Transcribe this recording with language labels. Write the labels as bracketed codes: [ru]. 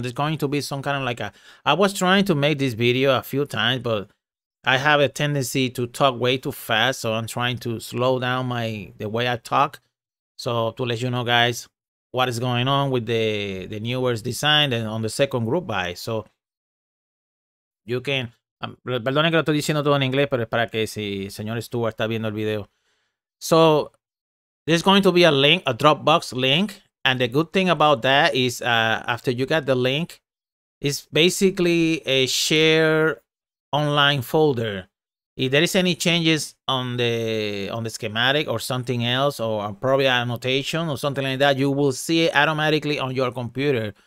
[en] There's going to be some kind of like a... I was trying to make this video a few times, but I have a tendency to talk way too fast. So I'm trying to slow down the way I talk. So to let you know, guys, what is going on with the newest design and on the second group buy. So you can... [es] perdone que lo estoy diciendo todo en inglés, pero es para que si señor Stewart está viendo el video. [en] So... there's going to be a link, a Dropbox link. And the good thing about that is after you get the link, it's basically a share online folder. If there is any changes on the schematic or something else, or probably annotation or something like that, you will see it automatically on your computer.